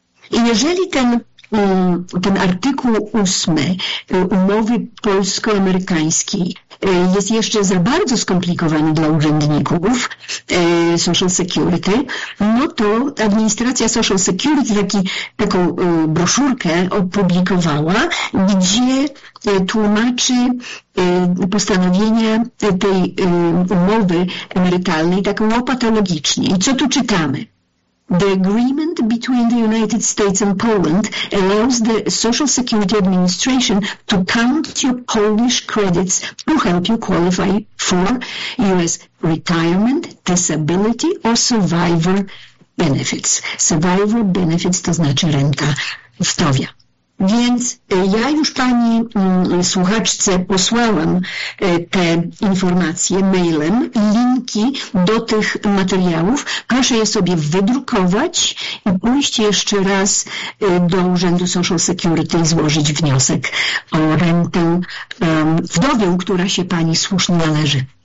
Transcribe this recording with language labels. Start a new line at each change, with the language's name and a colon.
Polish: I jeżeli ten artykuł 8 umowy polsko-amerykańskiej jest jeszcze za bardzo skomplikowany dla urzędników Social Security, no to administracja Social Security taką broszurkę opublikowała, gdzie tłumaczy postanowienia tej umowy emerytalnej taką łopatologicznie. I co tu czytamy?
English: The agreement between the United States and Poland allows the Social Security Administration to count your Polish credits to help you qualify for U.S. retirement, disability or survivor benefits.
Polish: Survivor benefits to znaczy renta zdrowia. Więc ja już pani słuchaczce posłałam te informacje mailem, linki do tych materiałów. Proszę je sobie wydrukować i pójść jeszcze raz do Urzędu Social Security i złożyć wniosek o rentę wdowią, która się pani słusznie należy.